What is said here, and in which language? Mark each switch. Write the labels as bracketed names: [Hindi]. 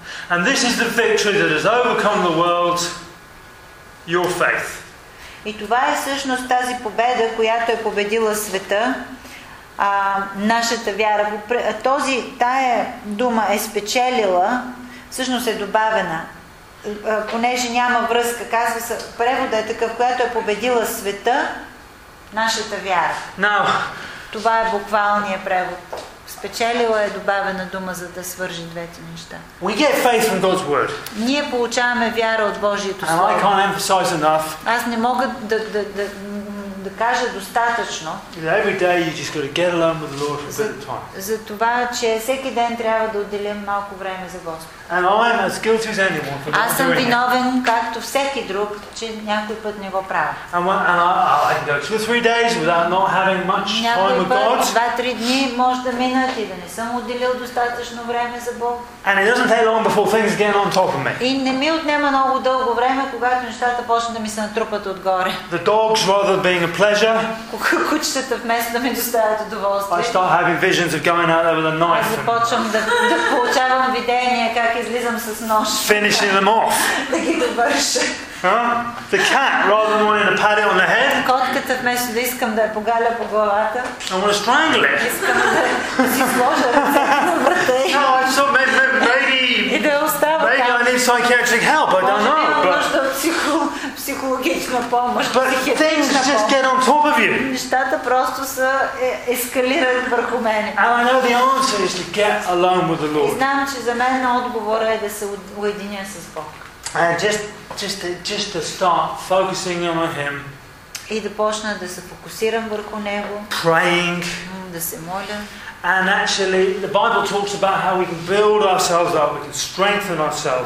[English] And this is the victory that has overcome the world, your faith. [Bulgarian] И това е всъщност тази победа, която е победила света, нашата вяра. Тая дума е спечелила, всъщност е добавена. Понеже няма връзка, казва се, преводът е такъв, която е победила света, нашата вяра. [English] Now, [Bulgarian] това е буквалният превод. Спечелила е добавена дума, за да свържи двете неща. [English] We get faith from God's word. [Bulgarian] Ние получаваме вяра от Божието Слово. [English] And I can't emphasize enough. [Bulgarian] Аз не мога да кажа достатъчно. [English] Every day you just got to get alone with the Lord for a bit of time. [Bulgarian] За това, че всеки ден трябва да отделим малко време за Господ. [English] And I am as guilty as anyone for not doing. [Bulgarian] Аз съм виновен, както всеки друг, че някой път не го правя. [English] And I go 2-3 days without not having much time with God. [Bulgarian] 2-3 дни може да минат и да не съм отделил достатъчно време за Бог. [English] And it doesn't take long before things get on top of me. [Bulgarian] И не ми отнема много дълго време, когато нещата почнат да ми се натрупат отгоре. [English] The dogs rather than being a pleasure. [Bulgarian] Кучетата вместо да ми доставят удоволствие. [English] I start having visions of going out there with a knife. [Bulgarian] Аз започвам да получавам видения как излизам с нож. [English] Finishing them off. [Bulgarian] Да ги довърша. [English] The cat rather than wanting to pat it on the head. [Bulgarian] Котката вместо да искам да я погаля по главата. [English] I want to strangle it. [Bulgarian] Искам да си сложа ръцете на врата. Maybe и да остава. [English] Maybe I need psychiatric help. I don't know. [Bulgarian] Нужда от психологична помощ. [English] But things just get on top of you. [Bulgarian] Нещата просто са ескалират върху мене. [English] And I know the answer is to get alone with the Lord. [Bulgarian] Знам, че за мен отговорът е да се уединя с Бог. [English] And just to start focusing on Him. [Bulgarian] И да почна да се фокусирам върху Него. [English] Praying. [Bulgarian] Да се моля. [English] And actually, the Bible talks about how we can build ourselves up, we can strengthen ourselves.